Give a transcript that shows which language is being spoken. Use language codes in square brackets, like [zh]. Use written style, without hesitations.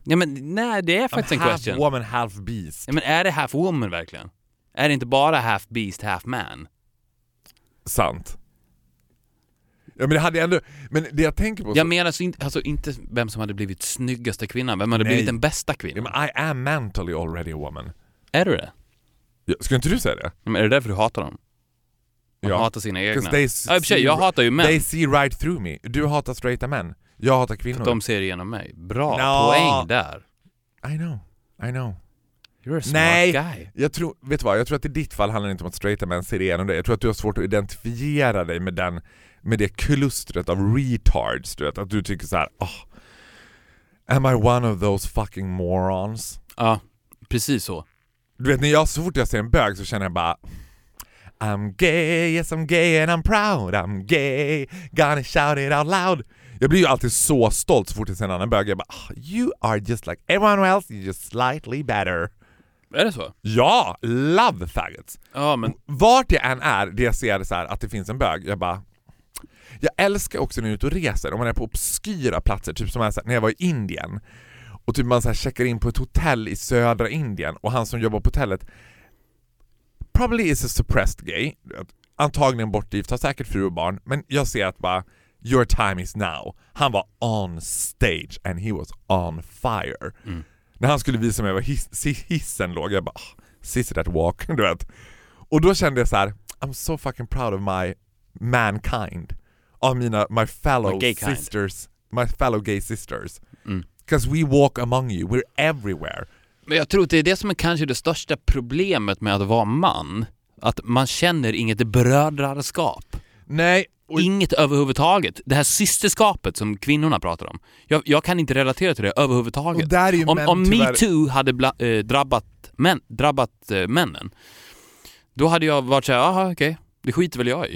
[sv] Ja, men, nej, det är faktiskt [en] I'm [sv] en question. [en] Half woman, half beast. [sv] Ja, men är det [en] half woman [sv] verkligen? Är det inte bara half beast, half man? Sant. Ja, men det hade jag ändå... Men det jag tänker på... Jag menar inte vem som hade blivit snyggaste kvinnan. Vem hade blivit den bästa kvinnan? Ja, men [en] I am mentally already a woman. [sv] Är du det? Ja, skulle inte du säga det? Ja, men är det därför du hatar dem? Jag hatar sina egna. Jag hatar ju män. [en] They see right through me. [sv] Du hatar straighta män. Jag hatar kvinnor. För de ser igenom mig. Bra poäng där. [en] I know. You're a smart guy. [sv] Jag tror, vet du vad? Jag tror att i ditt fall handlar det inte om att straighta män ser igenom dig. Jag tror att du har svårt att identifiera dig med den, med det klustret av retards. Du vet, att du tycker så här, [en] oh, am I one of those fucking morons? [sv] Ja, precis så. Du vet, så fort jag ser en bög så känner jag bara... [en] I'm gay, yes I'm gay and I'm proud. I'm gay, gonna shout it out loud. [sv] Jag blir ju alltid så stolt så fort jag ser en annan bög. Jag bara, [en] oh, you are just like everyone else, you're just slightly better. [sv] Är det så? [en] Ja, love the faggots. [sv] Ja, men... Vart jag än är, det jag ser så här, att det finns en bög, jag bara... Jag älskar också när jag är ute och reser. Om man är på obskyra platser, typ som här, när jag var i Indien. Och typ man så här checkar in på ett hotell i södra Indien. Och han som jobbar på hotellet... [en] Probably is a suppressed gay. [sv] Antagligen bortgift, har säkert fru och barn. Men jag ser att bara, [en] your time is now. [sv] Han var [en] on stage and he was on fire. Mm. [sv] När han skulle visa mig var hissen låg, jag bara, [en] sissy that walk, [sv] du vet. Och då kände jag så här, [en] I'm so fucking proud of my mankind. Of my fellow sisters. My fellow gay sisters. Because we walk among you, we're everywhere. [sv] Men jag tror att det är det som är kanske det största problemet med att vara man. Att man känner inget brödraskap. Nej, och inget överhuvudtaget. Det här systerskapet som kvinnorna pratar om. Jag kan inte relatera till det överhuvudtaget. Om MeToo hade drabbat männen, då hade jag varit såhär, aha, okej, det skiter väl jag i.